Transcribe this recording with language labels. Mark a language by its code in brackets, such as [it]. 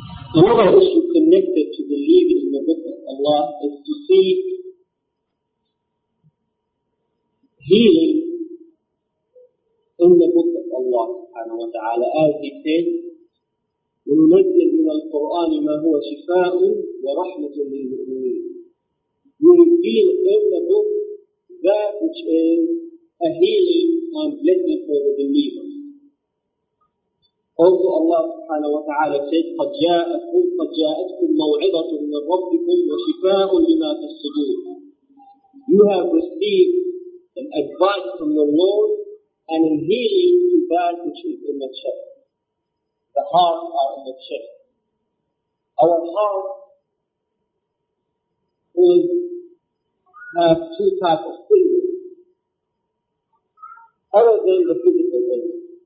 [en] Another issue connected to believing in the book of Allah is to seek healing in the book of Allah subhanahu wa ta'ala. As he said, [ar] وَنُنَزِّلْ مِنَ الْقُرْآنِ مَا هُوَ شِفَاءٌ وَرَحْمَةٌ لِلْمُؤْمِنِينَ. [en] We reveal in the book that which is a healing and blessing for the believers. Also Allah subhanahu wa ta'ala said, [ar] قَدْ جَاءَتْكُمْ مَوْعِظَةٌ مِنْ رَبِّكُمْ وَشِفَاءٌ لِمَا فِي الصُّدُورِ. [en] You have received an advice from your Lord and a healing to that which is in the chest. The hearts are in the chest. Our heart will have two types of feelings, other than the physical feelings.